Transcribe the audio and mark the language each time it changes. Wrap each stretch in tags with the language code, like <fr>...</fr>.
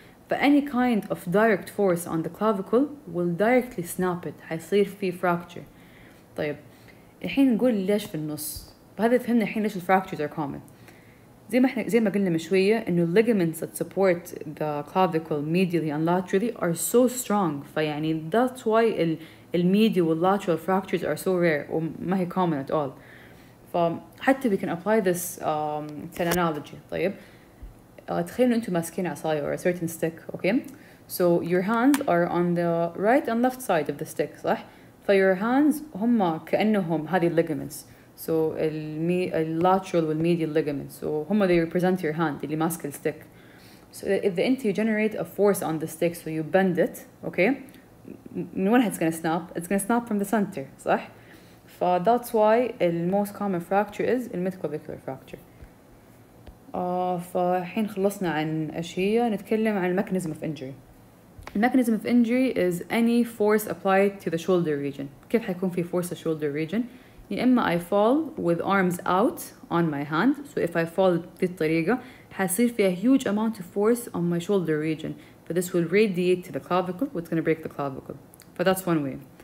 <en>But any kind of direct force on the clavicle will directly snap it.</en> <ar>حيصير في fracture. طيب, الحين نقول ليش في النص؟ بهذا فهمنا الحين ليش</ar> <en>fractures are common.</en> <ar>زي ما قلنا من شوية إنه</ar> <en>ligaments that support the clavicle medially and laterally are so strong, فيعني that's why the medial and lateral fractures are so rare</en> <ar>وما هي</ar> <en>common at all. فحتى we can apply this to an analogy.</en> <ar>طيب, تخيل إنه أنتم ماسكين عصاية</ar> <en>or a certain stick, okay? So your hands are on the right and left side of the stick, صح؟ فyour hands</en> <ar>هما كأنهم هذه</ar> <en>ligaments. So lateral and medial ligaments. So هما they represent your hand,</en> <ar>اللي ماسك الستيك.</ar> <en>So if the you generate a force on the stick, so you bend it, okay,</en> <ar>من وين</ar> <en>it's gonna snap? It's gonna snap from the center, صح? That's why the most common fracture is the midclavicular fracture.</en> <ar>فحين خلصنا عن أشياء, نتكلم عن</ar> <en>mechanism of injury. Mechanism of injury is any force applied to the shoulder region.</en> <ar>كيف حيكون في</ar> <en>force the shoulder region? إما I fall with arms out on my hand, so if I fall</en> <ar>بالطريقة حصير في</ar> <en>a huge amount of force on my shoulder region, but this will radiate to the clavicle, what's going to break the clavicle. But that's one way.</en>